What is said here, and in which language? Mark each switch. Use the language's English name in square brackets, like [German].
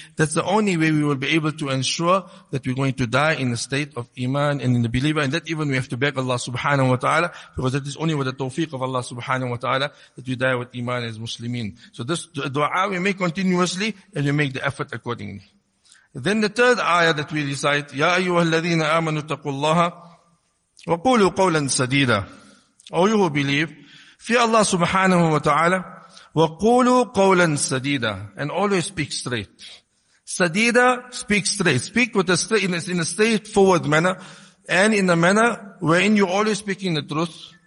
[English] That's the only way we will be able to ensure that we're going to die in a state of iman and in the believer. And that even we have to beg Allah subhanahu wa ta'ala, because that is only with the tawfiq of Allah subhanahu wa ta'ala that we die with iman as muslimin. So this dua we make continuously and we make the effort accordingly. Then the third ayah that we recite, [Arabic] يَا أَيُّهَا الَّذِينَ آمَنُوا اتَّقُوا اللَّهَ وَقُولُوا قَوْلًا سَدِيدًا. [English] O you who believe, fear Allah subhanahu wa ta'ala, [Arabic] وَقُولُوا قَوْلًا سَدِيدًا, [English] and always speak straight. Sadida, speak straight. Speak with a straight, in a straightforward manner, and in a manner wherein you're always speaking the truth.